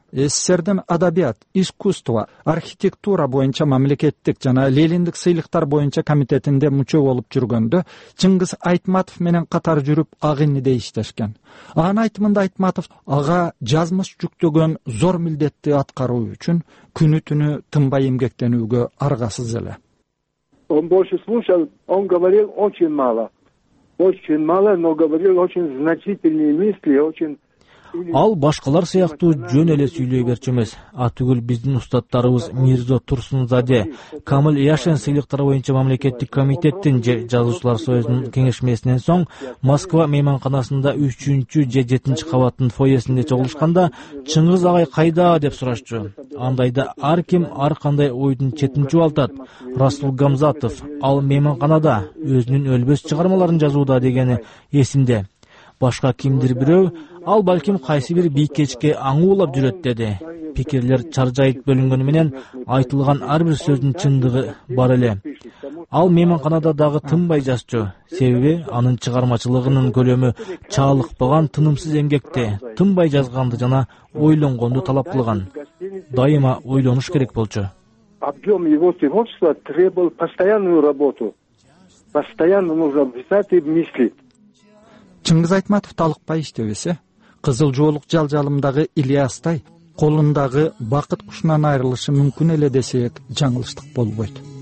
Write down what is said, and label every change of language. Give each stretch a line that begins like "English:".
Kyrgyz: СССРдин адабият, искусство, архитектура боюнча мамлекеттик жана Лелиндик сыйлыктар боюнча комитетинде мүчө болуп жүргөндө Чыңгыз Айтматов менен катар жүрүп агынды иштешкен. Анын айтымында Айтматов ага жазмыш жүктөгөн зор милдетти аткаруу үчүн күнү-түнү тынбай эмгектенүүгө аргасыз эле.
Russian: Он больше слушал, он говорил очень мало. Очень мало, но говорил очень значительные мысли, очень...
Kyrgyz: Ал башкалар сыяктуу жөн эле сүйлөй берчү эмес. Атүгүл биздин устаттарыбыз Мирзо Турсунзаде, Камыл Яшен сыйлыктары боюнча мамлекеттик комитеттин же жазуучулар союзунун кеңешмесинен соң Москва мейманканасында 3-чү же 7-чи кабаттын фойесинде чогулушканда Чыңгыз агай кайда деп сурашчу. Андайда ар ким ар кандай ойдун четин чубалтат. Расул Гамзатов ал мейманканада өзүнүн өлбөс чыгармаларын жазууда дегени эсинде. Башка кимдир бирөө ал балким кайсы бир бий кечке аңуулап жүрөт деди. Пикирлер чаржайыт бөлүнгөнү менен айтылган ар бир сөздүн чындыгы бар эле. Ал мейманканада дагы тынбай жазчу. Себеби анын чыгармачылыгынын көлөмү чаалыкпаган тынымсыз эмгекти, тынбай жазганды жана ойлонгонду талап кылган. Дайыма ойлонуш керек болчу.
Russian: Объём его творчества требовал постоянную работу. Постоянно нужно писать и мыслить.
Kyrgyz: Чыңгыз Айтматов талыкпай иштебесе, кызыл жоолук жалжалымдагы Ильястай колундагы бакыт кушунан айрылышы мүмкүн эле десек жаңылыштык болбойт.